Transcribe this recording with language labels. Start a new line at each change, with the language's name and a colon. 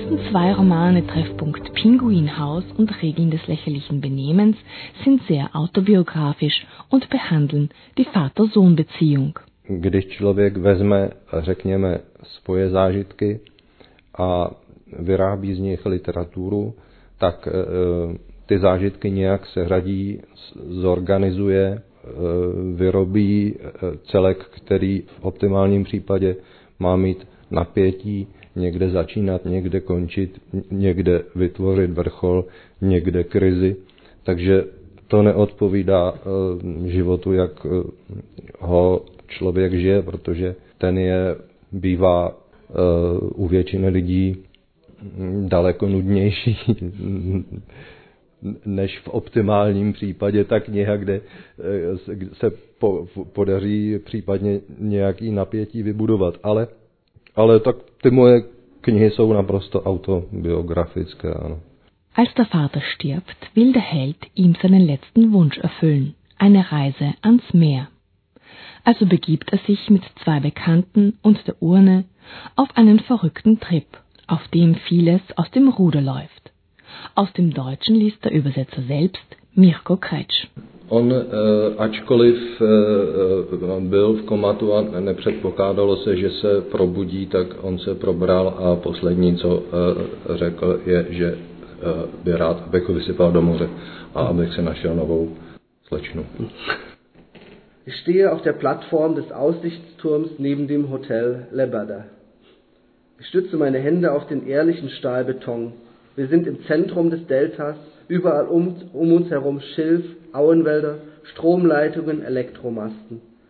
German: Zwei Romane Treffpunkt Pinguinhaus und Regeln des lächerlichen Benehmens sind sehr autobiografisch und behandeln die Vater-Sohn-Beziehung.
Czech: Když člověk vezme, řekněme, svoje zážitky a vyrábí z nich literaturu, tak ty zážitky nějak se řadí, zorganizuje, vyrobí celek, který v optimálním případě má mít napětí, někde začínat, někde končit, někde vytvořit vrchol, někde krizi. Takže to neodpovídá životu, jak ho člověk žije, protože ten je bývá u většiny lidí daleko nudnější než v optimálním případě ta kniha, kde se podaří případně nějaký napětí vybudovat. Ale tak ty moje knihy jsou naprosto autobiografické, ano.
German: Als der Vater stirbt, will der Held ihm seinen letzten Wunsch erfüllen, eine Reise ans Meer. Also begibt sich mit zwei Bekannten und der Urne auf einen verrückten Trip, auf dem vieles aus dem Ruder läuft. Aus dem Deutschen liest der Übersetzer selbst, Mirko Kretsch.
Czech: On, ačkoliv byl v komatu a nepředpokládalo se, že se probudí, tak on se probral a poslední, co řekl, je, že by rád, abych ho vysypal do moře a abych se našel novou slečnu.
German: Ich stehe auf der Plattform des Aussichtsturms neben dem Hotel Lebada. Ich stütze meine Hände auf den ehrlichen Stahlbeton. Wir sind im Zentrum des Deltas. Überall um uns herum Schilf, Auenwälder, Stromleitungen, Elektromasten.